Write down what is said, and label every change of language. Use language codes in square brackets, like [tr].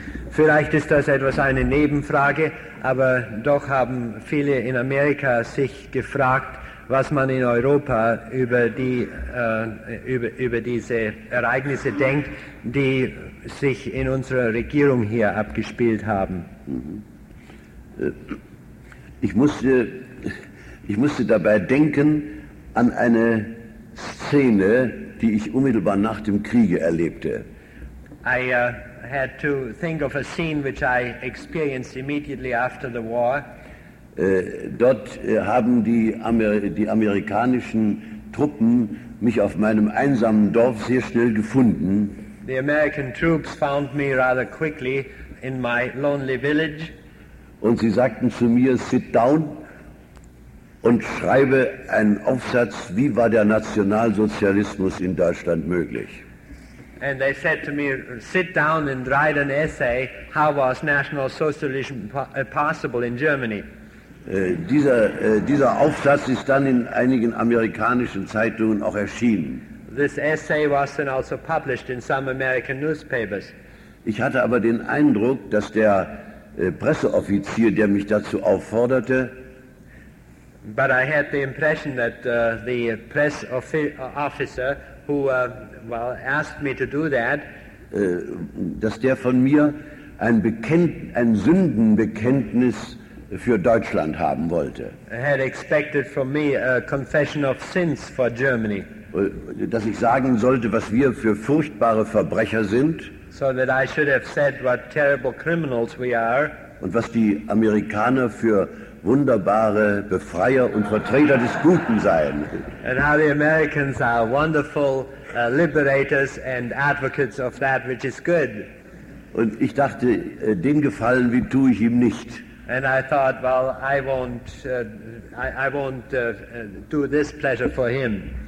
[de] Vielleicht ist das etwas eine Nebenfrage, aber doch haben viele in Amerika sich gefragt, was man in Europa über diese Ereignisse denkt, die sich in unserer Regierung hier abgespielt haben. Ich musste dabei denken an eine Szene, die ich unmittelbar nach dem Kriege erlebte. [en] I had to think of a scene which I experienced immediately after the war. [de] Dort haben die amerikanischen Truppen mich auf meinem einsamen Dorf sehr schnell gefunden. [en] The American troops found me rather quickly in my lonely village. [de] Und sie sagten zu mir, [en] sit down [de] und schreibe einen Aufsatz, wie war der Nationalsozialismus in Deutschland möglich? [en] And they said to me, sit down and write an essay, how was National Socialism possible in Germany? [de] Dieser Aufsatz ist dann in einigen amerikanischen Zeitungen auch erschienen. [en] This essay was then also published in some American newspapers. [de] Ich hatte aber den Eindruck, dass der Presseoffizier, der mich dazu aufforderte, [en] but I had the impression that the press officer who asked me to do that, [de] dass der von mir ein Sündenbekenntnis für Deutschland haben wollte. [en] Had expected from me a confession of sins for Germany. [de] Dass ich sagen sollte, was wir für furchtbare Verbrecher sind. [en] So that I should have said what terrible criminals we are. [de] Und was die Amerikaner für wunderbare Befreier und Vertreter des Guten seien. [en] And how the Americans are wonderful liberators and advocates of that which is good. [de] Und ich dachte, den Gefallen wie tue ich ihm nicht. [en] And I thought, well, I won't do this pleasure for him.